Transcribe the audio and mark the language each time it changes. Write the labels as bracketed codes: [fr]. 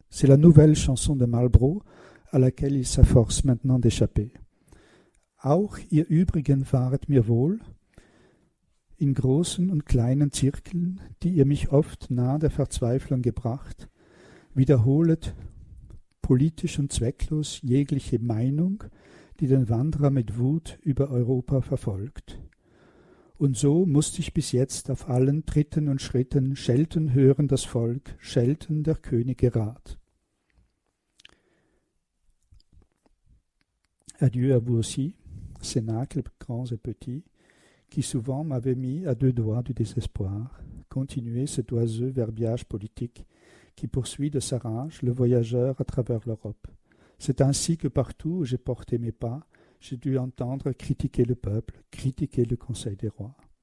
[fr] C'est la nouvelle chanson de Marlborough à laquelle il s'efforce maintenant d'échapper. [de] Auch ihr übrigen wahret mir wohl, in großen und kleinen Zirkeln, die ihr mich oft nahe der Verzweiflung gebracht, wiederholet politisch und zwecklos jegliche Meinung, die den Wanderer mit Wut über Europa verfolgt. Und so musste ich bis jetzt auf allen Tritten und Schritten schelten hören das Volk, schelten der Könige Rat. [fr] Adieu à vous aussi, cénacles grands et petits, qui souvent m'avez mis à deux doigts du désespoir. Continuez cet oiseux verbiage politique qui poursuit de sa rage le voyageur à travers l'Europe. C'est ainsi que partout où j'ai porté mes pas, j'ai dû entendre critiquer le peuple, critiquer le Conseil des rois.